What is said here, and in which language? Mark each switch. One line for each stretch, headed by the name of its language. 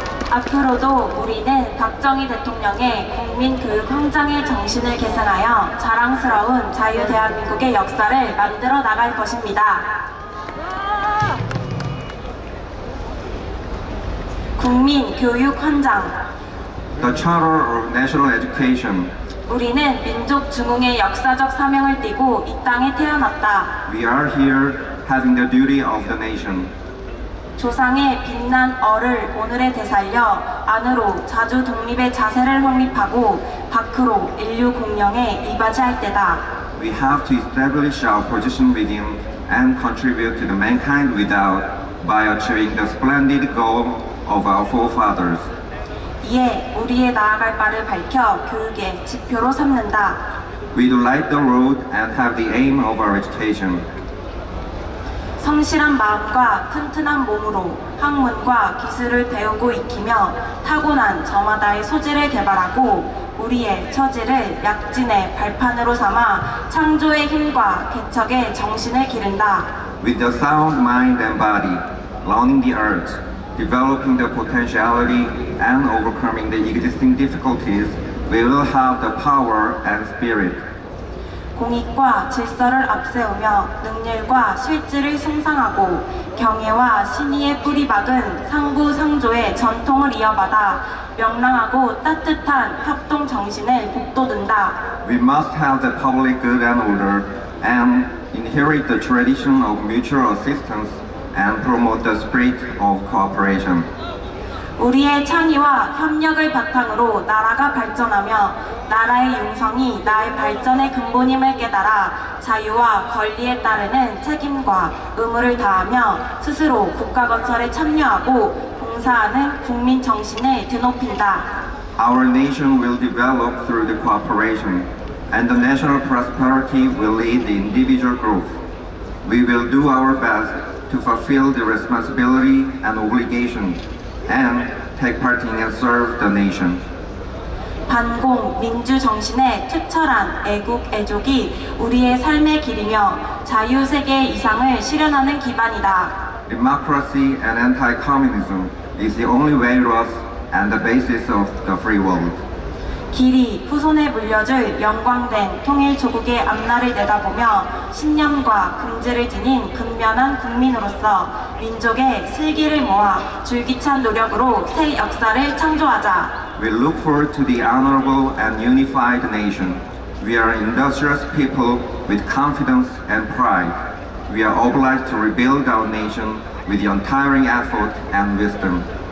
Korean: 앞으로도 우리는 박정희 대통령의 국민교육헌장의 정신을 계승하여 자랑스러운 자유대한민국의 역사를 만들어 나갈 것입니다. 국민교육헌장
English: The Charter of National Education
Korean: 우리는 민족 중흥의 역사적 사명을 띠고 이 땅에 태어났다.
English: We are here having the duty of the nation
Korean: 조상의 빛난 얼을 오늘에 되살려 안으로 자주 독립의 자세를 확립하고 밖으로 인류 공영에 이바지할 때다.
English: We have to establish our position within and contribute to the mankind without by achieving the splendid goal of our forefathers.
Korean: 이에 우리의 나아갈 바를 밝혀 교육의 지표로 삼는다.
English: We do light the road and have the aim of our education.
Korean: 성실한 마음과 튼튼한 몸으로 학문과 기술을 배우고 익히며 타고난 저마다의 소질을 개발하고 우리의 처지를 약진의 발판으로 삼아 창조의 힘과 개척의 정신을 기른다.
English: With the sound mind and body, learning the arts, developing the potentiality and overcoming the existing difficulties, we will have the power and spirit.
Korean: 공익과 질서를 앞세우며 능률과 실질을 숭상하고 경애와 신의의 뿌리 박은 상부상조의 전통을 이어받아 명랑하고 따뜻한 협동 정신을 북돋는다.
English: We must have the public good and order and inherit the tradition of mutual assistance and promote the spirit of cooperation.
Korean: 우리의 창의와 협력을 바탕으로 나라가 발전하며 나라의 융성이 나의 발전의 근본임을 깨달아 자유와 권리에 따르는 책임과 의무를 다하며 스스로 국가 건설에 참여하고 봉사하는 국민 정신을 드높인다.
English: Our nation will develop through the cooperation and the national prosperity will lead the individual growth. We will do our best to fulfill the responsibility and obligation and take part in and serve the nation.
Korean: 반공 민주 정신의 투철한 애국 애족이 우리의 삶의 길이며 자유 세계의 이상을 실현하는 기반이다.
English: Democracy and anti-communism is the only way to us and the basis of the free world.
Korean: 길이 후손에 물려줄 영광된 통일 조국의 앞날을 내다보며 신념과 긍지를 지닌 근면한 국민으로서 민족의 슬기를 모아 줄기찬 노력으로 새 역사를 창조하자.
English: We look forward to the honorable and unified nation. We are industrious people with confidence and pride. We are obliged to rebuild our nation with the untiring effort and wisdom.